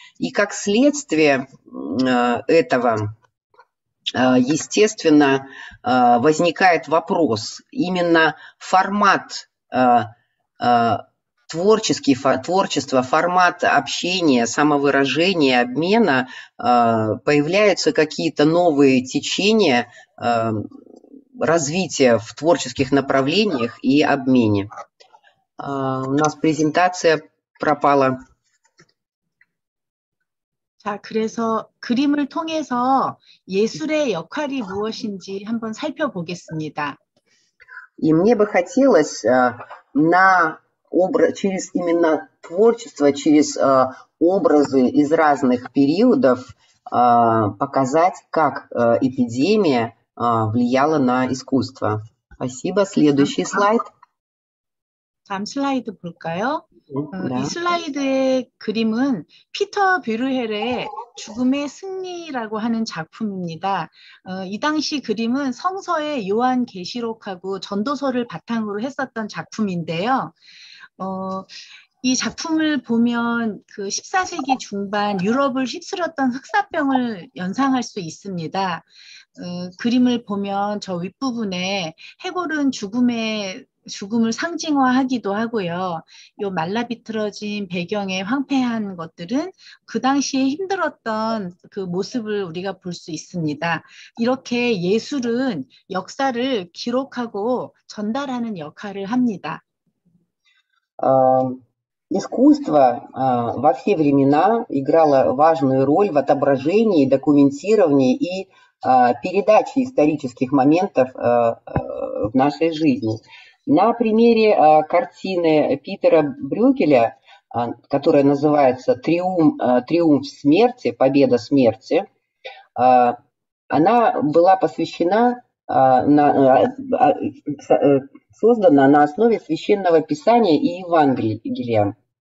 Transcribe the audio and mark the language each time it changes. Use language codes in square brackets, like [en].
[ru] И как следствие этого, естественно, возникает вопрос, именно формат творческий, творчество, формат общения, самовыражения, обмена, появляются какие-то новые течения развития в творческих направлениях и обмене. У нас презентация пропала. [ko] 자, 그래서 그림을 통해서 예술의 역할이 무엇인지 한번 살펴보겠습니다. [ru] И мне бы хотелось на через именно творчество, через образы из разных периодов показать, как эпидемия влияла на искусство. Спасибо. Следующий слайд. [ko] 다음 슬라이드 볼까요? 네. 이 슬라이드의 그림은 피터 뷰르헬의 죽음의 승리라고 하는 작품입니다. 이 당시 그림은 성서의 요한 계시록하고 전도서를 바탕으로 했었던 작품인데요. 이 작품을 보면 그 14세기 중반 유럽을 휩쓸었던 흑사병을 연상할 수 있습니다. 그림을 보면 저 윗부분에 해골은 죽음을 상징화하기도 하고요. 요 말라비틀어진 배경의 황폐한 것들은 그 당시에 힘들었던 그 모습을 우리가 볼 수 있습니다. 이렇게 예술은 역사를 기록하고 전달하는 역할을 합니다. [ru] Искусство во все времена играло важную роль в отображении, документировании и передаче исторических моментов в нашей жизни. На примере картины Питера Брюгеля, которая называется «Триумф смерти», «Победа смерти», она была посвящена, создана на основе Священного Писания и Евангелия.